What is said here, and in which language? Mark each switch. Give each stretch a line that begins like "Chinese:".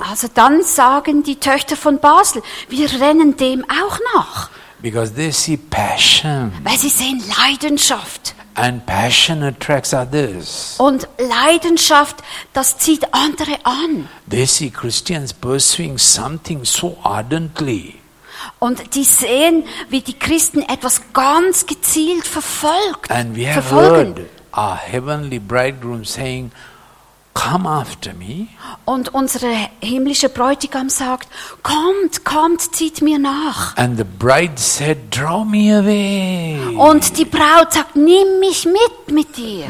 German: Also dann sagen die Töchter von Basel, wir rennen dem auch nach.
English: Because they see passion.
German: Weil sie sehen Leidenschaft.
English: And passion attracts others.
German: Und Leidenschaft, das zieht andere an.
English: They see Christians pursuing something so ardently.
German: Und die sehen, wie die Christen etwas ganz gezielt verfolgt.
English: And we have heard our heavenly bridegroom saying, come after me.
German: Und unsere himmlische Bräutigam sagt, kommt, kommt, zieht mir nach.
English: And the bride said, draw me away.
German: Und die Braut sagt, nimm mich mit dir.